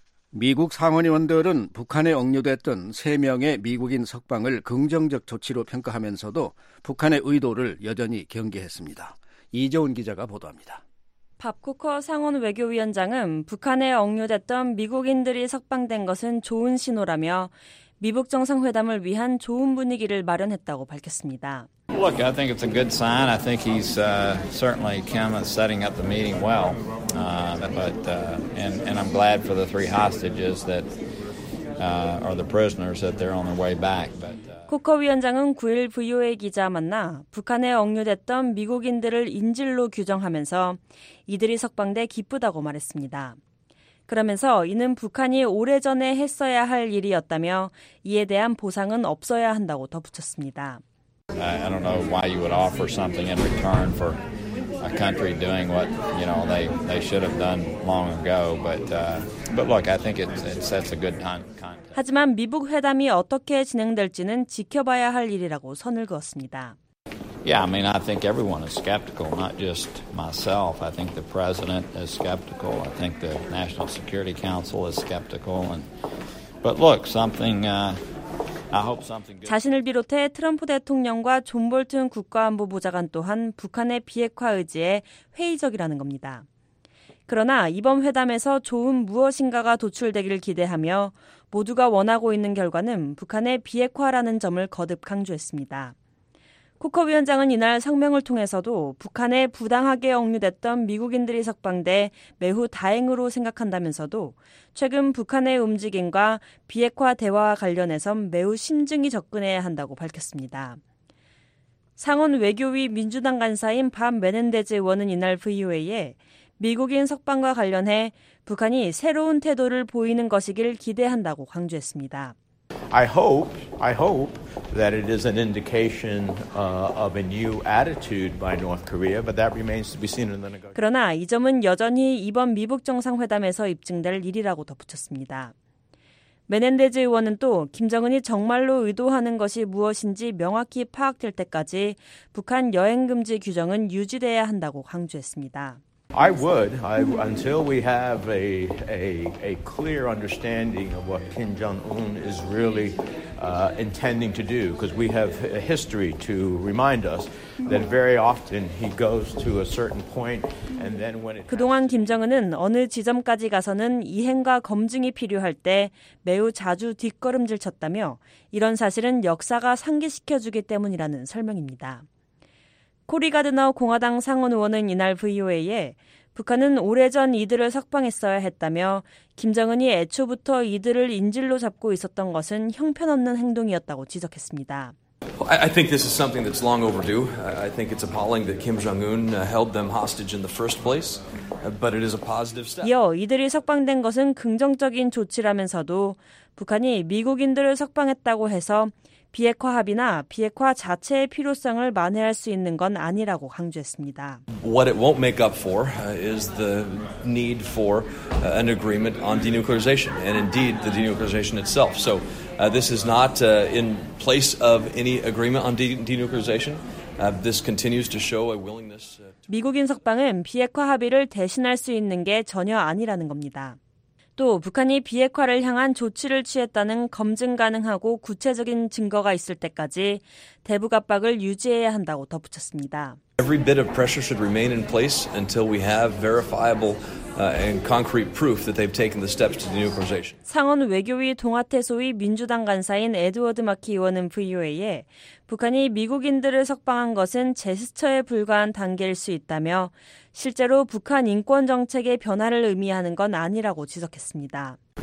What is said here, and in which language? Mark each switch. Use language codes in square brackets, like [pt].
[ko] 미국 상원의원들은 북한에 억류됐던 3명의 미국인 석방을 긍정적 조치로 평가하면서도 북한의 의도를 여전히 경계했습니다. 이재훈 기자가 보도합니다. 밥 쿠커 상원 외교위원장은 북한에 억류됐던 미국인들이 석방된 것은 좋은 신호라며 미북 정상회담을 위한 좋은 분위기를 마련했다고 밝혔습니다. [en] Look, I think it's a good sign. I think he's certainly Kim is setting up the meeting well. But I'm glad for the three hostages that are the prisoners that they're on their way back. But [ko] 쿠커 위원장은 9일 VOA 기자 만나 북한에 억류됐던 미국인들을 인질로 규정하면서 이들이 석방돼 기쁘다고 말했습니다. 그러면서 이는 북한이 오래전에 했어야 할 일이었다며 이에 대한 보상은 없어야 한다고 덧붙였습니다. [en] I don't know why you would offer something in return for a country doing what, you know, they should have done long ago, but look, I think it sets a good context. [ko] 하지만 미북 회담이 어떻게 진행될지는 지켜봐야 할 일이라고 선을 그었습니다. [en] Yeah, I mean, I think everyone is skeptical, not just myself. I think the president is skeptical. I think the National Security Council is skeptical. But look, I hope something good. [ko] 자신을 비롯해 트럼프 대통령과 존 볼튼 국가안보 보좌관 또한 북한의 비핵화 의지에 회의적이라는 겁니다. 그러나 이번 회담에서 좋은 무엇인가가 도출되기를 기대하며 모두가 원하고 있는 결과는 북한의 비핵화라는 점을 거듭 강조했습니다. 쿠커 위원장은 이날 성명을 통해서도 북한에 부당하게 억류됐던 미국인들이 석방돼 매우 다행으로 생각한다면서도 최근 북한의 움직임과 비핵화 대화와 관련해선 매우 심증이 접근해야 한다고 밝혔습니다. 상원 외교위 민주당 간사인 밤 메넨데즈 의원은 이날 VOA에 미국인 석방과 관련해 북한이 새로운 태도를 보이는 것이길 기대한다고 강조했습니다. [en] I hope that it is an indication of a new attitude by North Korea, but that remains to be seen in the negotiations. [ko] 그러나 이 점은 여전히 이번 미북 정상회담에서 입증될 일이라고 덧붙였습니다. 메넨데즈 의원은 또 김정은이 정말로 의도하는 것이 무엇인지 명확히 파악될 때까지 북한 여행 금지 규정은 유지돼야 한다고 강조했습니다. [en] I would until we have a clear understanding of what Kim Jong-un is really intending to do, because we have a history to remind us that very often he goes to a certain point and then when it [ko] 그동안 김정은은 어느 지점까지 가서는 이행과 검증이 필요할 때 매우 자주 뒷걸음질 쳤다며 이런 사실은 역사가 상기시켜 주기 때문이라는 설명입니다. 코리 가드너 공화당 상원 의원은 이날 VOA에 북한은 오래전 이들을 석방했어야 했다며 김정은이 애초부터 이들을 인질로 잡고 있었던 것은 형편없는 행동이었다고 지적했습니다. [en] I think this is something that's long overdue. I think it's appalling that Kim Jong-un held them hostage in the first place, but it is a positive step. [ko] 이어 이들이 석방된 것은 긍정적인 조치라면서도 북한이 미국인들을 석방했다고 해서 비핵화 합의나 비핵화 자체의 필요성을 만회할 수 있는 건 아니라고 강조했습니다. [en] What it won't make up for is the need for an agreement on denuclearization and indeed the denuclearization itself. So this is not in place of any agreement on denuclearization. This continues to show a willingness to [ko] 미국인 석방은 비핵화 합의를 대신할 수 있는 게 전혀 아니라는 겁니다. 또 북한이 비핵화를 향한 조치를 취했다는 검증 가능하고 구체적인 증거가 있을 때까지 대북 압박을 유지해야 한다고 덧붙였습니다. [en] Every bit of pressure should remain in place until we have verifiable and concrete proof that they've taken the steps to denuclearization. [ko] 상원 외교위 동아태 소위 민주당 간사인 에드워드 마키 의원은 VOA에 북한이 미국인들을 석방한 것은 제스처에 불과한 단계일 수 있다며 실제로 북한 인권 정책의 변화를 의미하는 건 아니라고 지적했습니다.